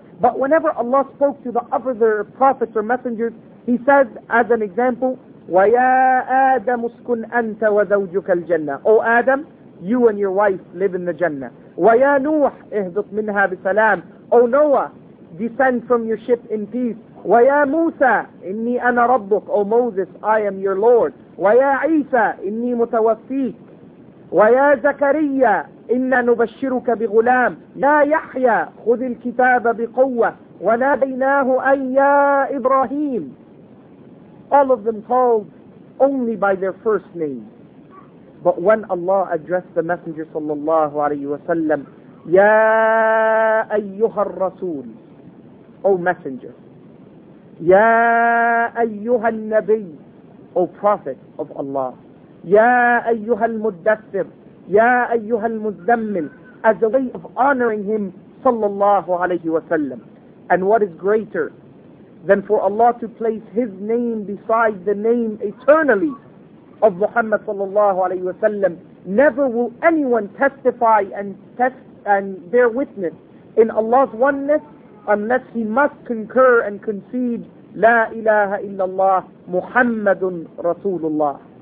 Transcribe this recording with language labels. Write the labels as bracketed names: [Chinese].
[English] But whenever Allah spoke to the other prophets or messengers, he says, as an example, [Arabic] وَيَا آدَمُ اسْكُنْ أَنْتَ وَزَوْجُكَ الْجَنَّةِ [English] O Adam, you and your wife live in the Jannah. [Arabic] وَيَا نُوحِ اِهْدُطْ مِنْهَا بِسَلَامِ [English] O Noah, descend from your ship in peace. [Arabic] ويا موسى إني أنا ربك, أو موسى [English] I am your Lord, [Arabic] ويا عيسى إني متوفيك, ويا زكريا إنا نبشرك بغلام, يا يحيى خذ الكتاب بقوة, وناديناه أن يا إبراهيم. [English] All of them called only by their first name. But when Allah addressed the Messenger صلى الله عليه وسلم, [Arabic] يا أيها الرسول, [English] O Messenger, [Arabic] يا أيها النبي, [English] O Prophet of Allah, [Arabic] يا أيها المدثر, يا أيها المزمل, [English] as a way of honoring him صلى الله عليه وسلم. And what is greater than for Allah to place his name beside the name eternally of Muhammad sallallahu alayhi wa sallam? Never will anyone testify and bear witness in Allah's oneness unless he must concur and concede [Arabic] La ilaha illallah Muhammadun Rasulullah.